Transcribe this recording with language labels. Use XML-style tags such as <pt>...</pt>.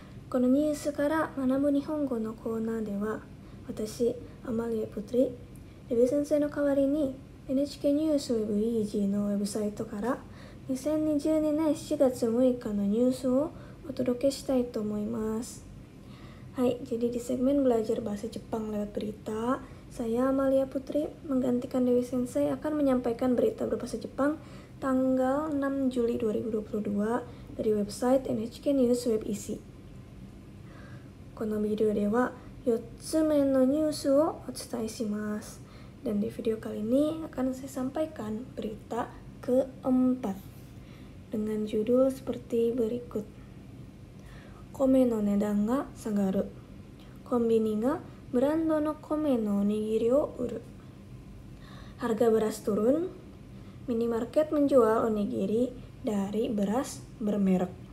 <ja>このニュースから学ぶ日本語のコーナーでは、私、アマリエ・プトリ、レビ先生の代わりに NHK ニュースウェブ EG のウェブサイトから2022年7月6日のニュースをお届けしたいと思います。</ja> <id>はい、jadi di segmen belajar bahasa Jepang lewat berita, saya Amalia Putri menggantikan Dewi Sensei akan menyampaikan berita berbahasa Jepang tanggal 6 Juli 2022 dari website NHK News Web EC.</id> <ja>このビデオでは4つ目のニュースをお伝えします。</ja> <id>Dan di video kali ini akan saya sampaikan berita keempat dengan judul seperti berikut.</id> <ja>米の値段が下がる。コンビニがブランドの米のおにぎりを売る。</ja> <id>Harga beras turun. Minimarket menjual onigiri dari beras bermerek.</id>